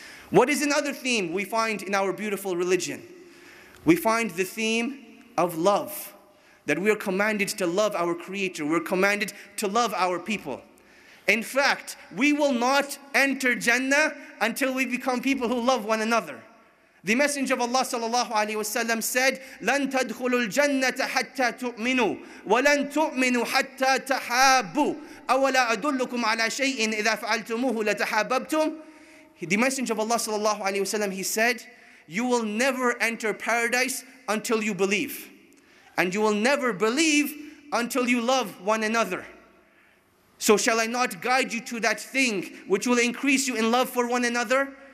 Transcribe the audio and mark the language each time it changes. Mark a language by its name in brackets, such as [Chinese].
[English] What is another theme we find in our beautiful religion? We find the theme of love, that we are commanded to love our Creator, we're commanded to love our people. In fact, we will not enter Jannah until we become people who love one another. The Messenger of Allah sallallahu alaihi wasallam said, [Arabic] لَن تَدْخُلُوا الْجَنَّةَ حَتَّى تُؤْمِنُوا وَلَن تُؤْمِنُوا حَتَّى تَحَابُوا أَوَلَا أَدُلُّكُمْ عَلَى شَيْءٍ إِذَا فَعَلْتُمُوهُ لَتَحَابَبْتُمْ. [English] The Messenger of Allah sallallahu alaihi wasallam, he said, you will never enter paradise until you believe. And you will never believe until you love one another. So shall I not guide you to that thing which will increase you in love for one another?